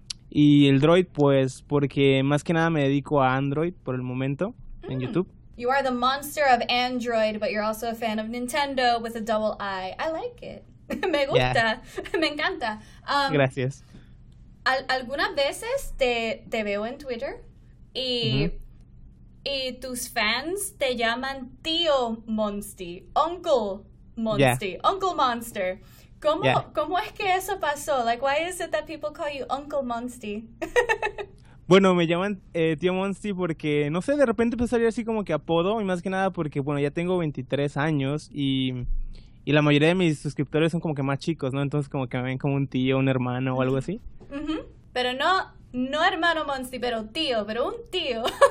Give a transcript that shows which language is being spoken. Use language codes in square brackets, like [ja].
[es] Y el droid, pues, porque más que nada me dedico a Android por el momento en YouTube. [en] You are the monster of Android, but you're also a fan of Nintendo with a double I. I like it. [es] Me gusta. [en] Yeah. [es] Me encanta. Gracias. Algunas veces te veo en Twitter y, y tus fans te llaman Tío Monsty, Uncle Monsty, Uncle Monster. ¿Cómo es que eso pasó? [en] Like, why is it that people call you Uncle Monsty? [es] Bueno, me llaman Tío Monsty porque, no sé, de repente empezó a salir así como que apodo. Y más que nada porque, bueno, ya tengo 23 años y la mayoría de mis suscriptores son como que más chicos, ¿no? Entonces como que me ven como un tío, un hermano o algo así. Pero no hermano Monsty, pero un tío.